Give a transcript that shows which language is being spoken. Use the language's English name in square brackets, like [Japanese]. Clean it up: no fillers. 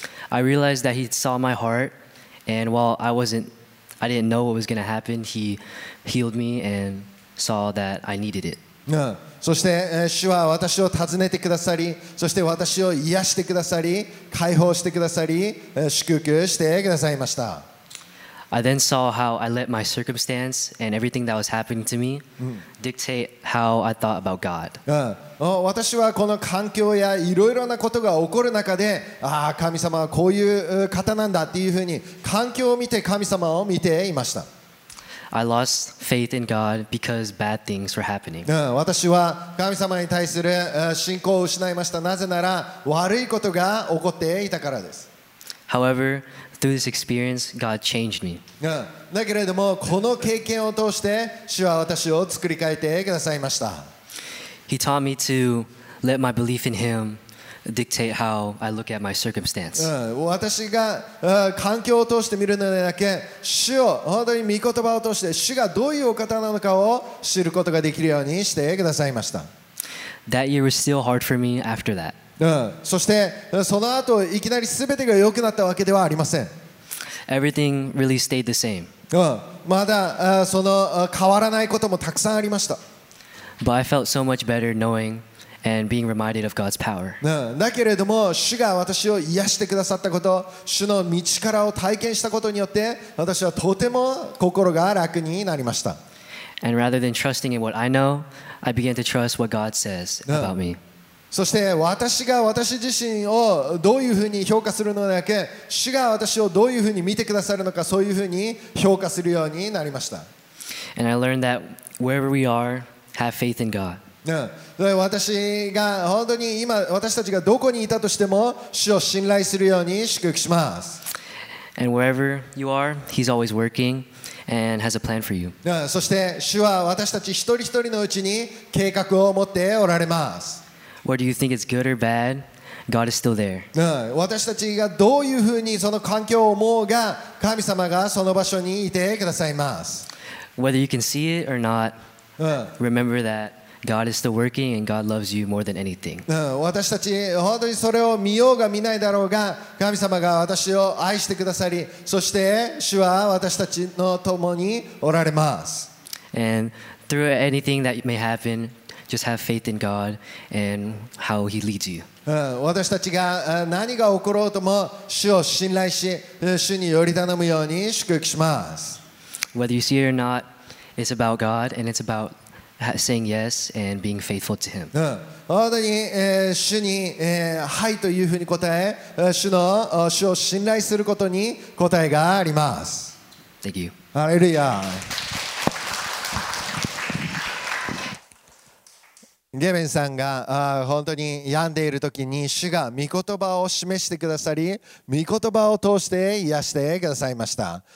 [English] I realized that He saw my heart, and while I didn't know what was going to happen, He healed me and. Saw that I needed it. [Japanese] そして主は私を訪ねてくださり、そして私を癒してくださり、解放してくださり、祝福してくださいました。 [English] I then saw how I let my circumstance and everything that was happening to me dictate how I thought about God. [Japanese] 私はこの環境やいろいろなことが起こる中で、ああ神様はこういう方なんだっていうふうに環境を見て神様を見ていました。 [English] I lost faith in God because bad things were happening. [Japanese] 私は神様に対する信仰を失いました。なぜなら悪いことが起こっていたからです。 [English] However, through this experience, God changed me. [Japanese] だけれどもこの経験を通して主は私を作り変えてくださいました。 [English] He taught me to let my belief in Him dictate how I look at my circumstance. [Japanese] 私が環境を通して見るのではなく、主を本当に御言葉を通して主がどういうお方なのかを知ることができるようにしてくださいました。 [English] That year was still hard for me after that. [Japanese] そしてその後いきなり全てが良くなったわけではありません。 [English] Everything really stayed the same. [Japanese] まだその変わらないこともたくさんありました。 [English] But I felt so much better knowing and being reminded of God's power. [Japanese] だけれども主が私を癒してくださったこと、主の御力を体験したことによって私はとても心が楽になりました。 [English] And rather than trusting in what I know, I began to trust what God says about me. [Japanese] そして私が私自身をどういうふうに評価するのではなく、主が私をどういうふうに見てくださるのか、そういうふうに評価するようになりました。 [English] And I learned that wherever we are, have faith in God. [Japanese] 私が本当に今私たちがどこにいたとしても主を信頼するように祝福します。 [English] And wherever you are, He's always working and has a plan for you. [Japanese] そして主は私たち一人一人のうちに計画を持っておられます。 [English] Whether you think it's good or bad, God is still there. [Japanese] 私たちがどういうふうにその環境を思うが、神様がその場所にいてくださいます。 [English] Whether you can see it or not, remember that God is still working and God loves you more than anything. [Japanese] 私たち本当にそれを見ようが見ないだろうが、神様が私を愛してくださり、そして主は私たちの共におられます。 [English] And through anything that may happen,Just have faith in God and how He leads you. [Japanese] 私たちが何が起ころうとも主を信頼し、主により頼むように祝福します。 [English] Whether you see it or not, it's about God and it's about saying yes and being faithful to Him. [Japanese] 本当に主にはいというふうに答え、主を信頼することに答えがあります。 [English] Thank you. [Japanese] ハレルヤ。ゲベンさんが本当に病んでいる時に主が御言葉を示してくださり、御言葉を通して癒してくださいました。